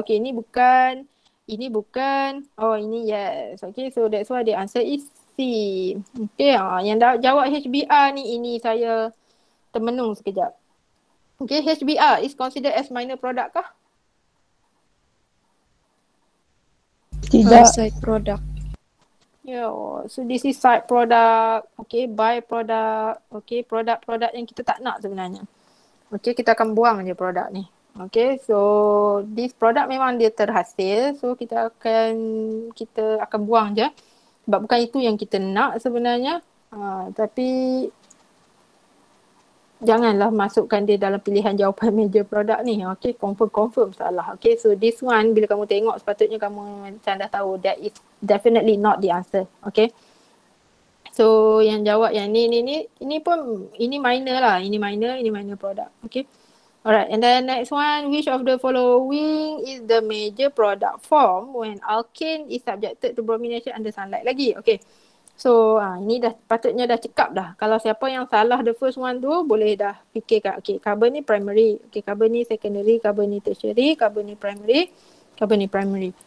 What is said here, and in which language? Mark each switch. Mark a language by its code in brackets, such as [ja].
[ms] Okay, ini bukan, ini bukan, oh ini yes. [en] Okay, so that's why the answer is C. [ms] Okay, yang dah jawab HBr ni, ini saya termenung sekejap. [en] Okay, HBr is considered as minor product kah? [ms] Tidak. Side product. [en] Yeah, so this is side product, okay, by product, okay, product-product [ms] yang kita tak nak sebenarnya. Okay, kita akan buang je product ni. Okay, [en] so this product [ms] memang dia terhasil, so kita akan buang je. Sebab bukan itu yang kita nak sebenarnya, tapi Janganlah masukkan dia dalam pilihan jawapan major product ni. [en] Okay, confirm-confirm salah. Okay, so this one [ms] bila kamu tengok sepatutnya kamu macam dah tahu [en] that is definitely not the answer. Okay. [ms] So yang jawab yang ini minor product. [en] Okay. Alright, and then next one, which of the following is the major product form when alkene is subjected to bromination under sunlight lagi? [ms] Okay. So, ini dah patutnya dah cekap dah. Kalau siapa yang salah [en] the first one [ms] tu, boleh dah fikirkan. Okay, carbon ni primary. Okay, carbon ni secondary. Carbon ni tertiary. Carbon ni primary. Carbon ni primary.